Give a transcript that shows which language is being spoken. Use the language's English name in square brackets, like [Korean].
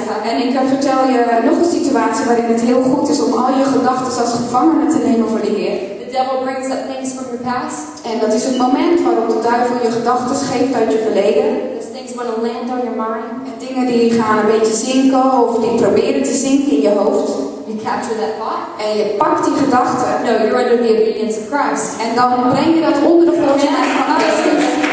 [Dutch] En ik kan vertel je nog een situatie waarin het heel goed is om al je gedachten als gevangenen te nemen voor de Heer. [English] The devil brings up things from your past. [Dutch] En dat is het moment waarop de duivel je gedachten geeft uit je verleden. [English] Those things want to land on your mind. [Dutch] En dingen die gaan een beetje zinken of die proberen te zinken in je hoofd. [English] You capture that thought. [Dutch] En je pakt die gedachten. [English] No, you're under the obedience of Christ. [Dutch] En dan breng je dat onder de gehoorzaamheid van Christus.